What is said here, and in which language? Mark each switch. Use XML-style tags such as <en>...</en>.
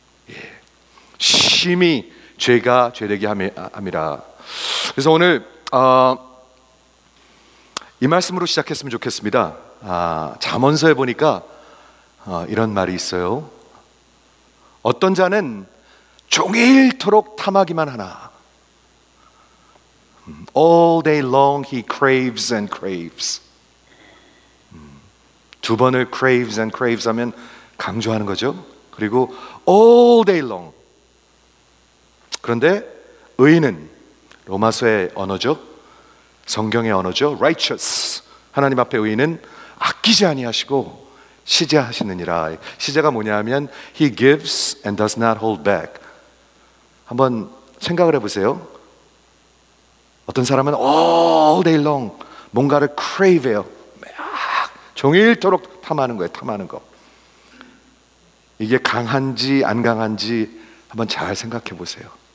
<ko>예, 심히 죄가 죄되게 함이라. 그래서 오늘 이 말씀으로 시작했으면 좋겠습니다. 잠언서에 보니까 이런 말이 있어요. 어떤 자는 종일토록 탐하기만 하나.</ko> <en>All day long he craves and craves.</en> <ko>두 번을</ko> <en>craves and craves</en> <ko>하면 강조하는 거죠.</ko> <en>그리고 all day long.</en> <ko>그런데 의인은, 로마서의 언어죠, 성경의 언어죠, righteous, 하나님 앞에 의인은 아끼지 아니하시고 시제하시느니라. 시제가 뭐냐면</ko> <en>he gives and does not hold back.</en> <ko>한번 생각을 해보세요. 어떤 사람은</ko> <en>all day long</en> <ko>뭔가를 crave해요. 막 종일토록 탐하는 거예요. 탐하는 거. 이게 강한지 안 강한지 한번 잘 생각해 보세요.</ko>